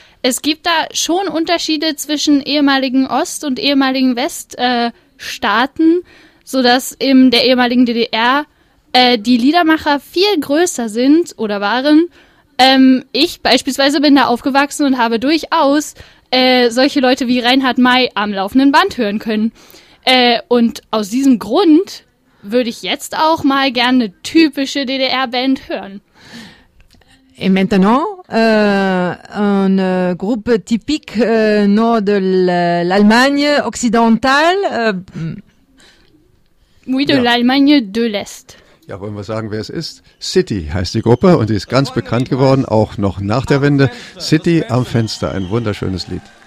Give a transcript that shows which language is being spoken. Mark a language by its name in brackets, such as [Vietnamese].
[German] Es gibt da schon Unterschiede zwischen ehemaligen Ost- und ehemaligen Weststaaten, sodass in der ehemaligen DDR die Liedermacher viel größer sind oder waren. Ich beispielsweise bin da aufgewachsen und habe durchaus solche Leute wie Reinhard May am laufenden Band hören können. Und aus diesem Grund würde ich jetzt auch mal gerne eine typische DDR-Band hören. [French] Et maintenant, un groupe typique nord de l'Allemagne occidentale. Oui, de l'Allemagne de l'Est. [German] Ja, wollen wir sagen, wer es ist? City heißt die Gruppe und die ist ganz bekannt geworden, auch noch nach der Wende. City am Fenster, ein wunderschönes Lied.